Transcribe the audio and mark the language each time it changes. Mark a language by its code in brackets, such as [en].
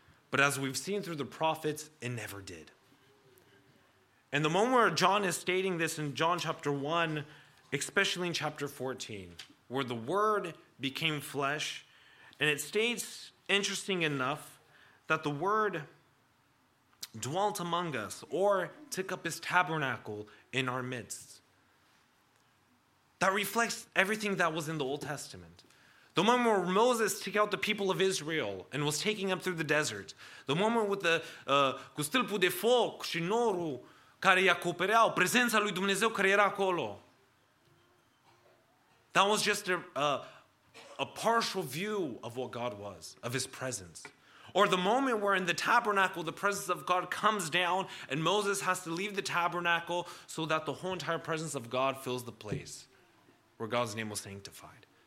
[en] But as we've seen through the prophets, it never did. And the moment where John is stating this in John chapter 1, especially in chapter 14, where the Word became flesh, and it states, interesting enough, that the Word dwelt among us or took up his tabernacle in our midst. That reflects everything that was in the Old Testament. The moment where Moses took out the people of Israel and was taking them through the desert. The moment with the [ro] stâlpul de foc și norul care îi acopereau, prezența lui Dumnezeu care era acolo. [en] That was just a partial view of what God was, of his presence. Or the moment where in the tabernacle, the presence of God comes down and Moses has to leave the tabernacle so that the whole entire presence of God fills the place where God's name was sanctified.